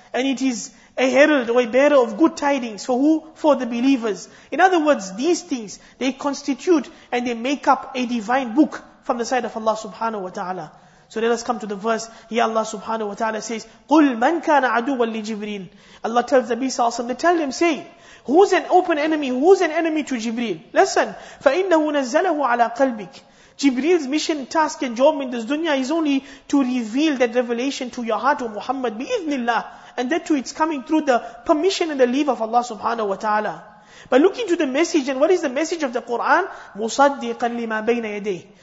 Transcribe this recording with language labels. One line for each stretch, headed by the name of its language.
English: And it is a herald or a bearer of good tidings. For who? For the believers. In other words, these things, they constitute and they make up a divine book from the side of Allah subhanahu wa ta'ala. So let us come to the verse. Here Allah subhanahu wa ta'ala says,
Arabic: قُلْ مَنْ كَانَ عَدُوًا لِجِبْرِيلِ.
English: Allah tells the Nabi sallallahu alayhi wa sallam, tell him, say, who's an open enemy? Who's an enemy to Jibreel? Listen,
Arabic: فَإِنَّهُ نَزَّلَهُ عَلَىٰ قَلْبِكِ.
English: Jibreel's mission, task and job in this dunya is only to reveal that revelation to your heart, O Muhammad, bi-idhnillah. And that too, it's coming through the permission and the leave of Allah subhanahu wa ta'ala. But look into the message, and what is the message of the Quran?
Arabic: مُصَدِّقًا لِمَا بَيْنَ يَدَيْهِ.